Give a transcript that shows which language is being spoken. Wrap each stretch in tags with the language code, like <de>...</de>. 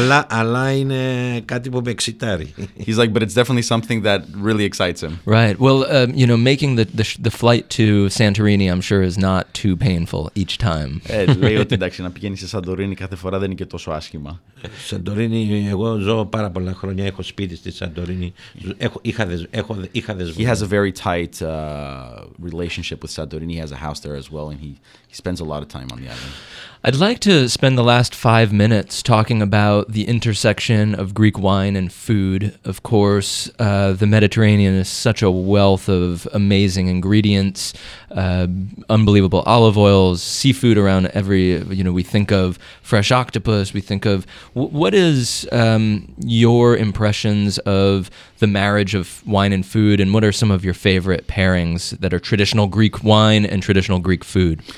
<el>Αλλά είναι κάτι που με εξητάρει.</el> <en>He's like, but it's definitely something that really excites him. Right. Well, you know, making the flight to Santorini, I'm sure, is not too painful each time.</en> <el>Λέει ότι εντάξει, να πηγαίνεις σε Σαντορίνη κάθε φορά δεν είναι και τόσο άσχημα. Σαντορίνη, εγώ ζω πάρα πολλά χρόνια, έχω σπίτι στη Σαντορίνη. Είχα δεσμό.</el> <en>He has a very tight relationship with Santorini. He has a house there as well, and he spends a lot of time on the island. I'd like to spend the last 5 minutes talking about the intersection of Greek wine and food. Of course, the Mediterranean is such a wealth of amazing ingredients, unbelievable olive oils, seafood around every, you know, we think of fresh octopus, we think of, what is your impressions of the marriage of wine and food, and what are some of your favorite pairings that are traditional Greek wine and traditional Greek food?</en>